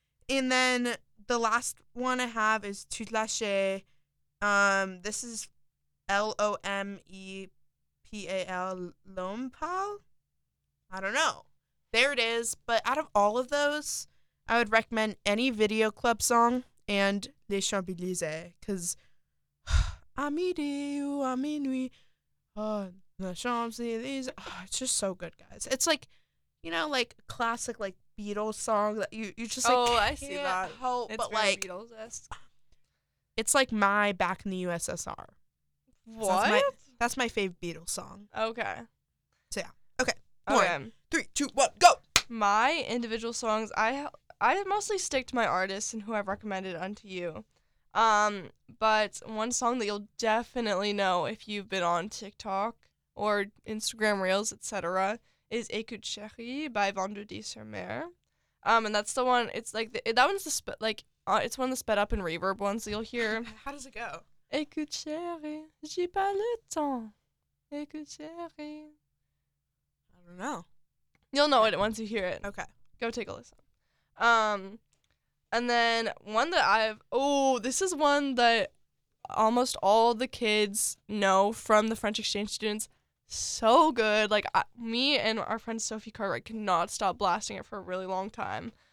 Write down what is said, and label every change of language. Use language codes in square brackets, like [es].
[en] And then the last one I have is Tu te lâches. This is L-O-M-E-P-A-L, Lompal? I don't know. There it is. But out of all of those, I would recommend any video club song and Les Champs-Élysées. Because [fr] à midi ou à minuit, Les Champs-Élysées. [en] It's just so good, guys. It's like, you know, like classic, like, Beatles song that you just like, oh, I see that. Help, it's but very like Beatles-esque. It's like my Back in the USSR. What? So that's my fave Beatles song. Okay. So yeah. Okay. One, three, two, one, go. My individual songs, I mostly stick to my artists and who I've recommended unto you. But one song that you'll definitely know if you've been on TikTok or Instagram Reels, etc., is Écoute Chérie by Vendredi sur Mer. And that's the one, it's like, it's one of the sped up and reverb ones that you'll hear. How does it go? [fr] Écoute Chérie, j'ai pas le temps. Écoute Chérie. [en] I don't know. You'll know it once you hear it. Okay. Go take a listen. And then one that this is one that almost all the kids know from the French exchange students. so good. Like, me and our friend Sophie Cartwright cannot stop blasting it for a really long time.